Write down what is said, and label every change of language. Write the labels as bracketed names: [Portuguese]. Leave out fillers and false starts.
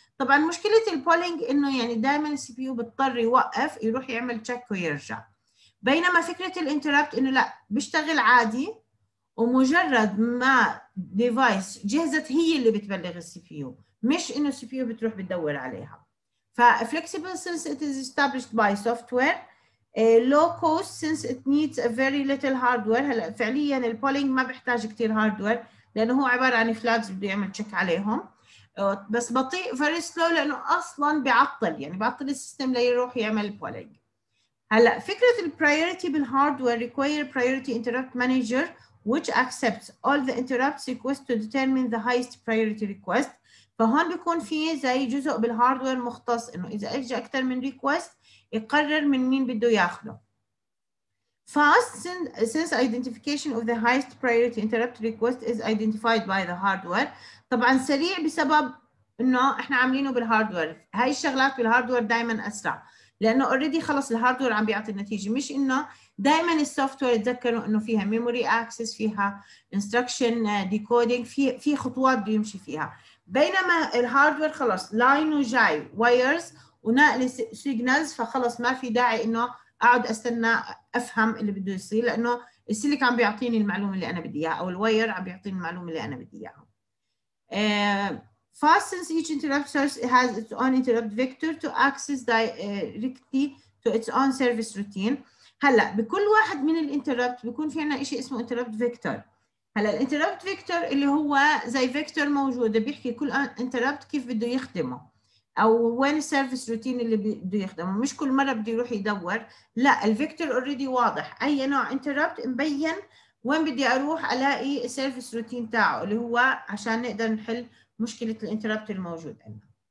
[Arabic] طبعا مشكله البولينج انه يعني دائما السي بي يو بيضطر يوقف يروح يعمل تشيك ويرجع، بينما فكره الانتربت انه لا، بيشتغل عادي ومجرد ما ديفايس جهزت هي اللي بتبلغ السي بي يو، مش انه السي بي يو بتروح بتدور عليها. [English] فflexible since it is established by software. Low cost since it needs a very little hardware. [Arabic] هلا فعليا البولينج ما بحتاج كثير هاردوير لانه هو عباره عن فلاجز بده يعمل تشيك عليهم. بس بطيء very slow لانه اصلا بيعطل، يعني بيعطل السيستم ليروح يعمل البولينج. هلا فكره البرايورتي بالهاردوير [English] require priority interrupt manager which accepts all the interrupts request to determine the highest priority request. [Arabic] فهون بيكون في زي جزء بالهاردوير مختص انه اذا اجى اكثر من ريكوست يقرر من مين بده ياخده. [English] Fast since identification of the highest priority interrupt request is identified by the hardware. [Arabic] طبعا سريع بسبب انه احنا عاملينه بالهاردوير، هاي الشغلات بالهاردوير دائما اسرع، لانه اوريدي خلص الهاردوير عم بيعطي النتيجه، مش انه دائما السوفت وير تذكروا انه فيها ميموري اكسس، فيها انستركشن ديكودينج، في خطوات بيمشي فيها، بينما الهاردوير خلص لاين وجاي وايرز ونقل سيجنالز، فخلص ما في داعي انه اقعد استنى افهم اللي بده يصير، لانه السلك عم بيعطيني المعلومه اللي انا بدي اياها، او الواير عم بيعطيني المعلومه اللي انا بدي اياها. [English] Fast since each interrupt source has its own interrupt vector to access directly to its own service routine. [Arabic] هلا بكل واحد من الانتربت بيكون في عنا شيء اسمه interrupt vector. هلا الانتربت vector اللي هو زي vector موجوده بيحكي كل interrupt كيف بده يخدمه، او وين السيرفيس روتين اللي بده يخدمه، مش كل مره بده يروح يدور، لا الفيكتور اوريدي واضح، اي نوع انتربت مبين وين بدي اروح الاقي السيرفيس روتين تاعه، اللي هو عشان نقدر نحل مشكلة الانتربت الموجود عندنا.